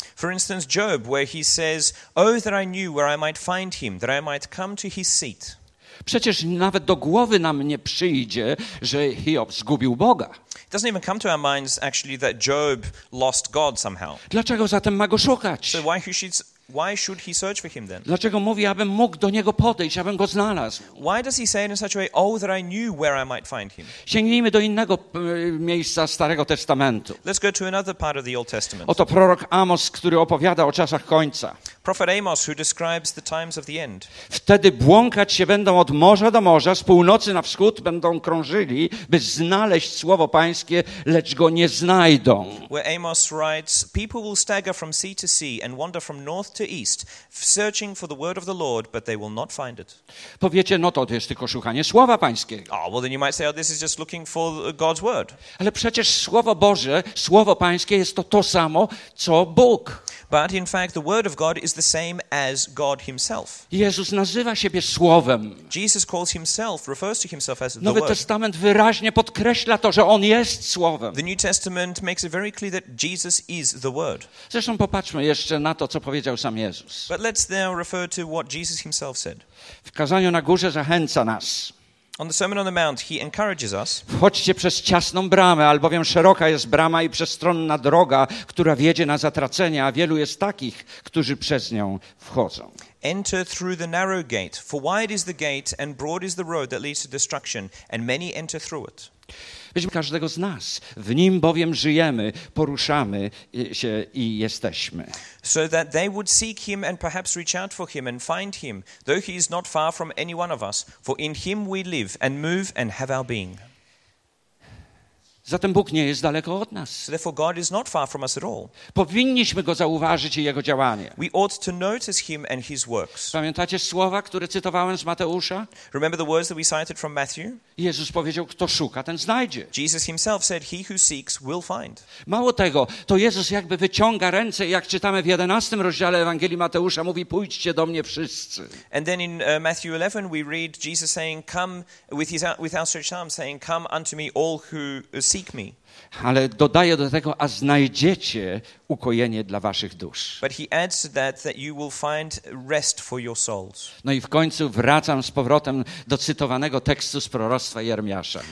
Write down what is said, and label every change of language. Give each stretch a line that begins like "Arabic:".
English: For instance, Job, where he says, oh, that I knew where I might find him, that I might come to his seat.
Polish: Przecież nawet do głowy nam nie przyjdzie, że Hiob zgubił Boga.
English: It doesn't even come to our minds, actually, that Job lost God somehow.
Polish: Dlaczego zatem ma go szukać?
English: So why should he search for him then?
Polish: Dlaczego mówi, abym mógł do niego podejść, abym go znalazł?
English: Why does he say it in such a way, oh, that I knew where I might find him?
Polish: Sięgnijmy do innego miejsca Starego Testamentu.
English: Let's go to another part of the Old Testament.
Polish: Oto prorok Amos, który opowiada o czasach końca.
English: Prophet Amos, who describes the times of the end.
Polish: Wtedy błąkać się będą od morza do morza, z północy na wschód będą krążyli, by znaleźć słowo Pańskie, lecz go nie znajdą.
English: Where Amos writes, people will stagger from sea to sea and wander from north to east, searching for the word of the Lord, but they will not find it.
Polish: Powiecie, no to jest tylko szukanie słowa Pańskiego.
English: Oh, well then you might say, oh, this is just looking for God's word.
Polish: Ale przecież słowo Boże, słowo Pańskie jest to samo, co Bóg.
English: But in fact, the word of God is the same as God himself.
Polish: Jezus nazywa siebie słowem.
English: Jesus calls himself, refers to himself as the word.
Polish: Nowy Testament wyraźnie podkreśla to, że on jest słowem.
English: The New Testament makes it very clear that Jesus is the word.
Polish: Zresztą popatrzmy jeszcze na to, co powiedział sam Jezus.
English: But let's now refer to what Jesus himself said.
Polish: W kazaniu na górze zachęca nas.
English: On the Sermon on the Mount, he encourages us.
Polish: Wchodźcie przez ciasną bramę, albowiem szeroka jest brama i przestronna droga, która wiedzie na zatracenie, a wielu jest takich, którzy przez nią wchodzą.
English: Enter through the narrow gate, for wide is the gate and broad is the road that leads to destruction, and many enter through it.
Polish: Weźmy każdego z nas. W nim bowiem żyjemy, poruszamy się i jesteśmy.
English: So that they would seek him and perhaps reach out for him and find him, though he is not far from any one of us, for in him we live and move and have our being.
Polish: Zatem Bóg nie jest daleko od nas.
English: So therefore God is not far from us at all.
Polish: Powinniśmy go zauważyć i jego działanie.
English: We ought to notice him and his works.
Polish: Pamiętacie słowa, które cytowałem z Mateusza?
English: Remember the words that we cited from Matthew?
Polish: Jezus powiedział, kto szuka, ten znajdzie.
English: Jesus himself said, he who seeks will find.
Polish: Mało tego, to Jezus jakby wyciąga ręce, jak czytamy w 11 rozdziale Ewangelii Mateusza, mówi, pójdźcie do mnie wszyscy.
English: And then in Matthew 11 we read Jesus saying, come with outstretched arms, saying, come unto me all who seek me.
Polish: Ale dodaję do tego, a znajdziecie ukojenie dla waszych dusz.
English: But he adds that you will find rest for your souls.
Polish: No i w końcu wracam z powrotem do cytowanego tekstu z proroctwa Jeremiasza.